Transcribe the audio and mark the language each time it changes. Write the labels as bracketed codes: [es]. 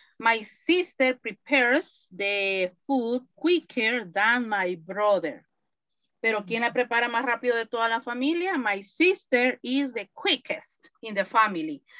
[en] My sister prepares the food quicker than my brother. [es] Pero ¿quién la prepara más rápido de toda la familia? [en] My sister is the quickest in the family.